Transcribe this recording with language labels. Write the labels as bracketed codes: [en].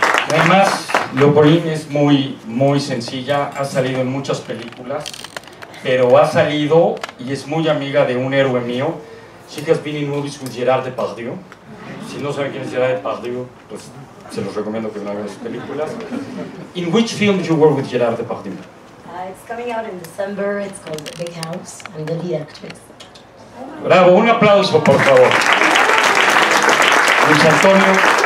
[es] Además, Leopoldine es muy, muy sencilla, ha salido en muchas películas, pero ha salido y es muy amiga de un héroe mío. [en] She has been in movies with Gerard Depardieu. [es] Si no saben quién es Gerard Depardieu, pues se los recomiendo que no hagan sus películas. [en] In which film you work with Gerard Depardieu? It's coming out in December, it's called The Big House, I'm the lead actress. [es] Bravo, un aplauso, por favor. Luis Antonio.